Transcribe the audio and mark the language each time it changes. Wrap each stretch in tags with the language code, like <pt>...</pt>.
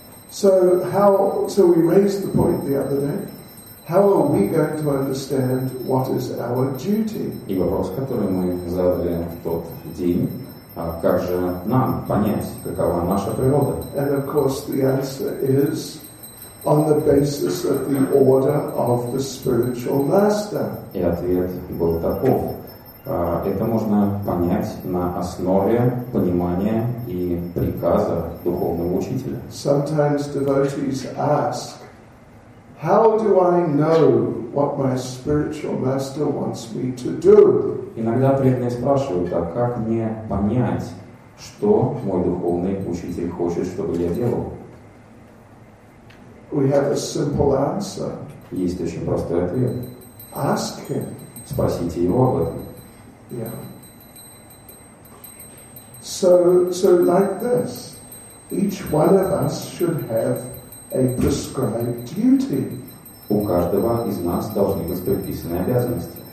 <en>So we raised the point the other day. How are we going to understand what is our duty?</en> <ru>И вопрос, который мы задали в тот день, как же нам понять, какова наша природа?</ru> <en>And of course the answer is on the basis of the order of the spiritual master.</en> <ru>И ответ был таков. Это можно понять на основе понимания и приказа духовного учителя.</ru> <en>Sometimes devotees ask, how do I know what my spiritual master wants me to do?</en> <ru>Иногда преданные спрашивают, а как мне понять, что мой духовный учитель хочет, чтобы я делал?</ru> <en>We have a simple answer.</en> <ru>Есть очень простой ответ.</ru> <en>Ask him.</en> <ru>Спросите его об этом.</ru> <en>So like this, each one of us should have a prescribed duty.</en> <ru>У каждого из нас должны быть предписанные обязанности.</ru>